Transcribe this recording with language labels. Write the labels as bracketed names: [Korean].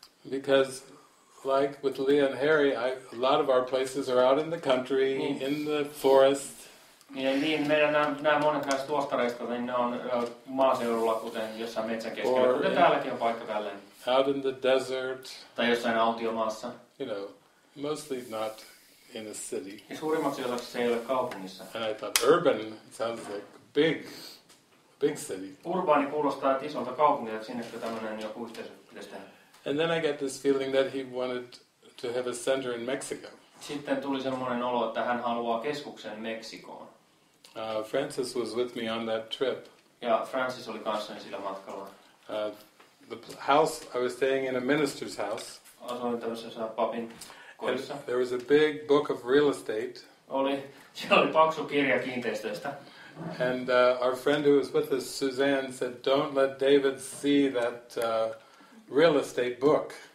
[English] Because, like with Leah and Harry, a lot of our places are out in the country, in the forest. [Finnish] Niin, meidän nämä monet näistä tuostareista, niin ne on maaseudulla, kuten jossain metsän keskellä, kuten täälläkin on paikka tälleen. [English] Out in the desert. [Finnish] Tai jossain autiomaassa. [English] You know, mostly not in a city. [Finnish] Ja suurimmaksi osaksi se ei ole kaupungissa. [English] And I thought, urban sounds like big. Big city. [Finnish] Urbaani kuulostaa, että isolta kaupungilta, että sinne tämmöinen joku yhteisö pitäisi tehdä. [English] And then I get this feeling that he wanted to have a center in Mexico. [Finnish] Sitten tuli semmoinen olo, että hän haluaa keskuksen Meksikoon. [English] Francis was with me on that trip. [Finnish] Ja Francis oli kanssani sillä matkalla. [English] The house, I was staying in a minister's house. [Finnish] Asuin tämmöisessä papin kodissa. [English] And there was a big book of real estate. [Finnish] Oli, siellä oli paksu kirja kiinteistöistä. [English] And our friend who was with us, Suzanne, said, don't let David see that real estate book.